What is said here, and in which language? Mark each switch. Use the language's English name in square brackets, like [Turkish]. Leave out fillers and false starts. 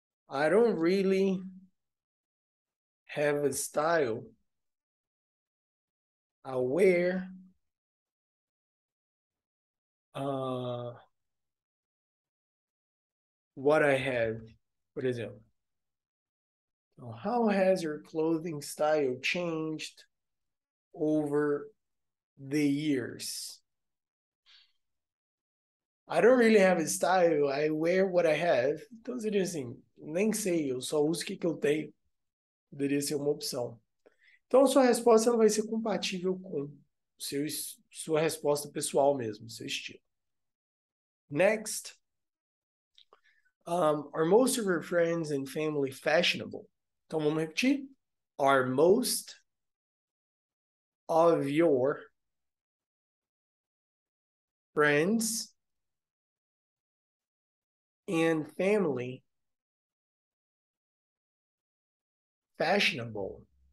[English] I don't really have a style I wear what I have, [Portuguese] por exemplo. [English] So how has your clothing style changed over the years? I don't really have a style, I wear what I have. [Portuguese] Então seria assim, nem sei, eu só uso o que eu tenho. Poderia ser uma opção. Então sua resposta ela vai ser compatível com sua resposta pessoal mesmo, seu estilo. [English] Next. Are most of your friends and family fashionable? [Portuguese] Então vamos repetir. [English] Are most of your friends and family fashionable.